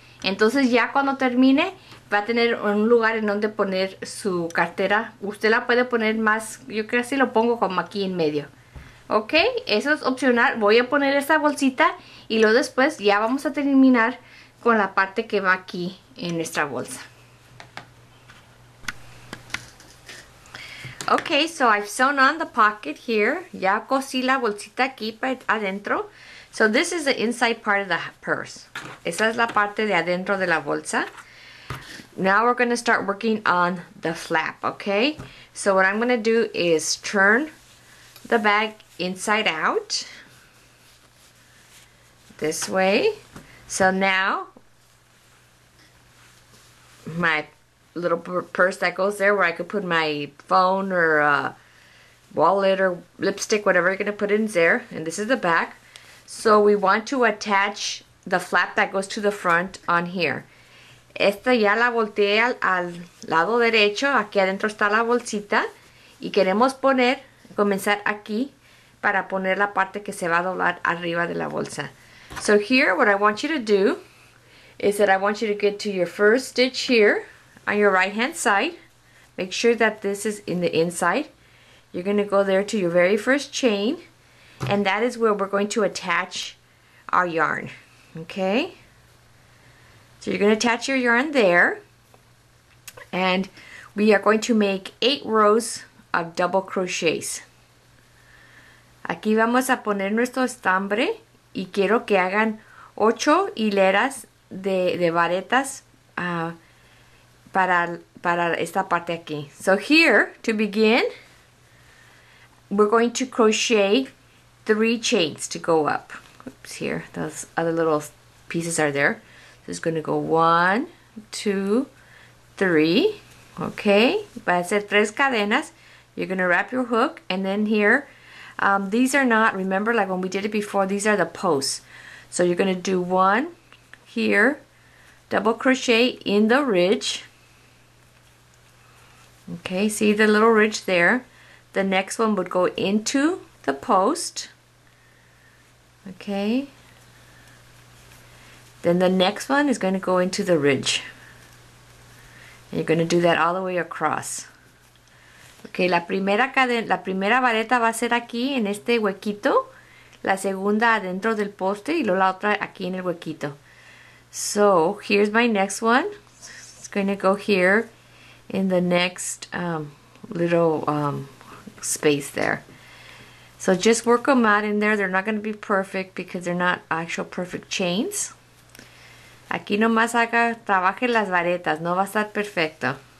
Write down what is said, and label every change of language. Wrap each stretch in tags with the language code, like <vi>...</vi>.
<es>Entonces ya cuando termine va a tener un lugar en donde poner su cartera. Usted la puede poner más, yo creo que así lo pongo como aquí en medio. Ok, eso es opcional. Voy a poner esta bolsita y luego después ya vamos a terminar con la parte que va aquí en nuestra bolsa.</es> <en>Okay, so I've sewn on the pocket here.</en> <es>Ya cosí la bolsita aquí adentro.</es> <en>So this is the inside part of the purse.</en> <es>Esa es la parte de adentro de la bolsa.</es> <en>Now we're gonna start working on the flap, okay? So what I'm gonna do is turn the bag inside out this way. So now my little purse that goes there where I could put my phone or wallet or lipstick, whatever you're gonna put in there, and this is the back. So we want to attach the flap that goes to the front on here.</en> <es>Esta ya la volteé al lado derecho, aquí adentro está la bolsita, y queremos comenzar aquí para poner la parte que se va a doblar arriba de la bolsa.</es> <en>So here what I want you to do is that I want you to get to your first stitch here on your right hand side. Make sure that this is in the inside. You're gonna go there to your very first chain, and that is where we're going to attach our yarn, okay? So you're gonna attach your yarn there, and we are going to make 8 rows of double crochets.</en> <es>Aquí vamos a poner nuestro estambre y quiero que hagan 8 hileras de varetas para esta parte aquí.</es> <en>So here, to begin, we're going to crochet 3 chains to go up. Oops, here, those other little pieces are there. So it's gonna go 1, 2, 3. Okay,</en> <es>va a ser tres cadenas.</es> <en>You're gonna wrap your hook, and then here, these are not, remember like when we did it before, these are the posts. So you're gonna do one here, double crochet in the ridge. Okay, see the little ridge there? The next one would go into the post. Okay. Then the next one is gonna go into the ridge. And you're gonna do that all the way across.</en> <es>Okay, la primera vareta va a ser aquí en este huequito, la segunda adentro del poste y luego la otra aquí en el huequito.</es> <en>So, here's my next one. It's going to go here in the next little space there. So just work them out in there. They're not going to be perfect because they're not actual perfect chains.</en> <es>Aquí nomás haga, trabaje las varetas, no va a estar perfecto.</es>